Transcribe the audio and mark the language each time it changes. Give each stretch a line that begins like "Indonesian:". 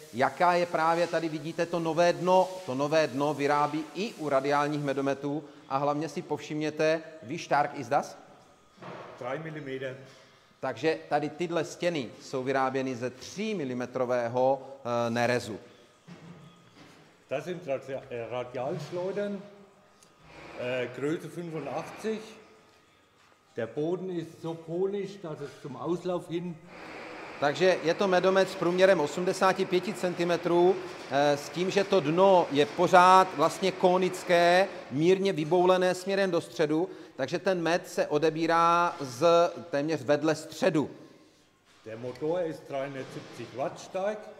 Czech: Jaká je právě, tady vidíte to nové dno. To nové dno vyrábí i u radiálních medometů. A hlavně si povšimněte,
German: wie stark ist das? 3 mm.
Czech: Takže tady tyhle stěny jsou vyráběny ze 3 mm nerezu.
German: Das sind Radialschleudern. Größe 85. Der Boden ist so polisch, dass es zum Auslauf hin.
Czech: Takže je to medomet s průměrem 85 cm, s tím, že to dno je pořád vlastně konické, mírně vyboulené směrem do středu, takže ten med se odebírá z téměř vedle středu.
German: Der Motor ist 370 Watt stark.